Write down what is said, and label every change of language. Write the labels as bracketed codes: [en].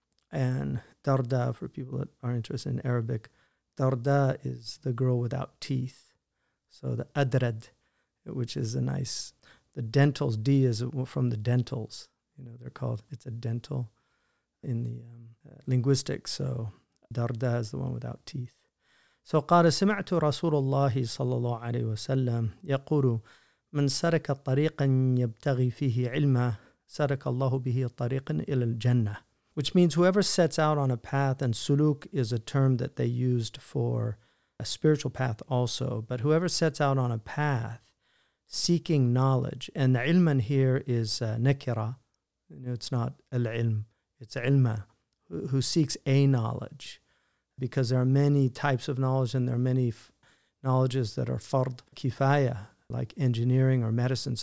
[en] And Darda, for people that are interested in Arabic, Darda is the girl without teeth. So the Adrad, which is a nice, the dentals, D is from the dentals. You know, they're called, it's a dental in the linguistics. So Darda is the one without teeth. [ar] So قال سمعت رسول الله صلى الله عليه وسلم يقول من سرك طريقا يبتغي فيه علما سرك الله به طريقا إلى الجنة. [en] Which means whoever sets out on a path, and suluk is a term that they used for a spiritual path also, but whoever sets out on a path seeking knowledge, and the ilman here is nakira, you know, it's not al-ilm, it's ilma, who seeks a knowledge, because there are many types of knowledge and there are many knowledges that are fard kifaya, like engineering or medicine.